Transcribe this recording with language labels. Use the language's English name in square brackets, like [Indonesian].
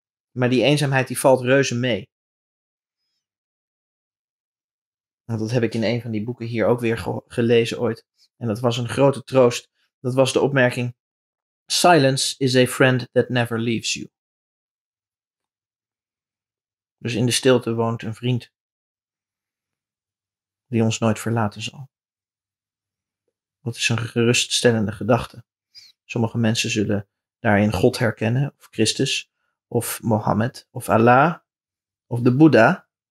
[Dutch] Maar die eenzaamheid die valt reuze mee. Want dat heb ik in een van die boeken hier ook weer gelezen ooit. En dat was een grote troost. Dat was de opmerking, [English] silence is a friend that never leaves you. [Dutch] Dus in de stilte woont een vriend die ons nooit verlaten zal. Dat is een geruststellende gedachte. Sommige mensen zullen daarin God herkennen, of Christus, of Mohammed, of Allah, of de Boeddha.